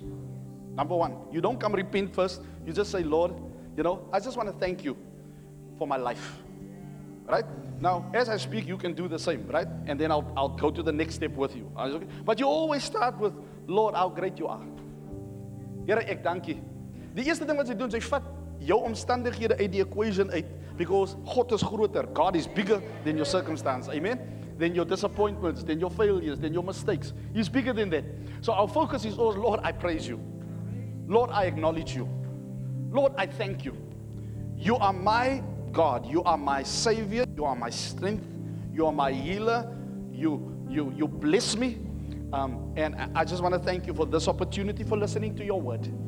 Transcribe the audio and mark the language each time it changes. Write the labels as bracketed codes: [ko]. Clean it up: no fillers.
[en] Number one, you don't come repent first. You just say, Lord, you know, I just want to thank You for my life. Right? Now, as I speak, you can do the same, right? And then I'll go to the next step with you. But you always start with, Lord, how great You are. [af] Here, ek dankie. The eerste thing wat jy doen, jy vat jou omstandighede uit die equation uit. [en] Because [af] God is groter. [en] God is bigger than your circumstance. Amen? Than your disappointments, than your failures, than your mistakes. He's bigger than that. So our focus is always, Lord, I praise You. Lord, I acknowledge You. Lord, I thank You. You are my God, You are my Savior, You are my strength, You are my healer, you bless me, and I just want to thank You for this opportunity for listening to Your word.